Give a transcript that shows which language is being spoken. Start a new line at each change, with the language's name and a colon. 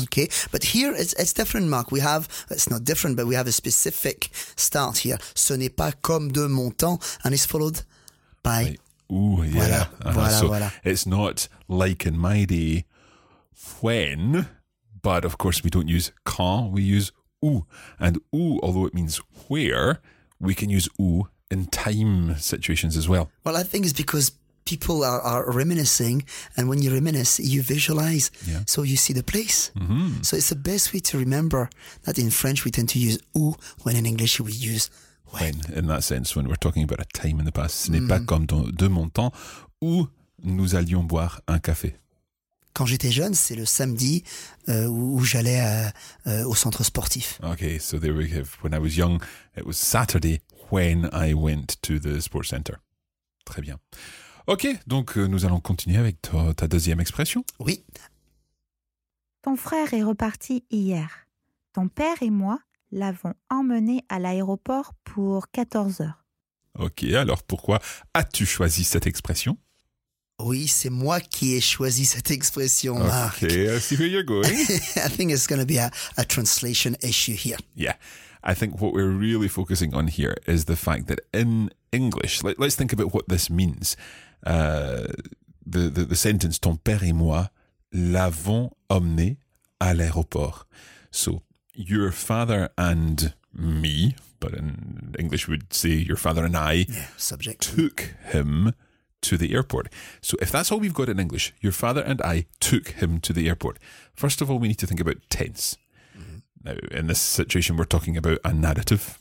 English: Okay, but here it's different, Mark. We have, it's not different, but we have a specific start here.
French: Ce n'est pas comme de mon temps,
English: and it's followed by...
French: Voilà.
English: It's not like in my day, when, but of course we don't use quand, we use où. And où, although it means where, we can use où in time situations as well. Well, I think it's because people are reminiscing, and when you reminisce, you visualize, so you see the place. Mm-hmm. So it's the best way to remember that in French we tend to use où, when in English we use when. In that sense, when we're talking about a time in the past, ce n'est pas comme de mon temps, où nous allions boire un café.
French: Quand j'étais jeune, c'est le samedi où j'allais au centre sportif.
English: Okay, so there we have. When I was young, it was Saturday when I went to the sports center.
French: Très bien. Okay, donc nous allons continuer avec ta deuxième expression. Oui. Ton frère est reparti hier. Ton père et moi l'avons emmené à l'aéroport pour 14 heures. Okay, alors pourquoi as-tu choisi cette expression? Oui, c'est moi qui ai choisi cette expression, Marc.
English: Okay, I see where you're going. I think it's going to be a translation issue here. Yeah, I think what we're really focusing on here is the fact that in English, let's think about what this means. The sentence,
French: ton père et moi l'avons emmené à l'aéroport.
English: So, your father and me, but in English we'd say your father and I, subject. Took him to the airport. So if that's all we've got in English, your father and I took him to the airport. First of all, we need to think about tense. Mm-hmm. Now, in this situation, we're talking about a narrative.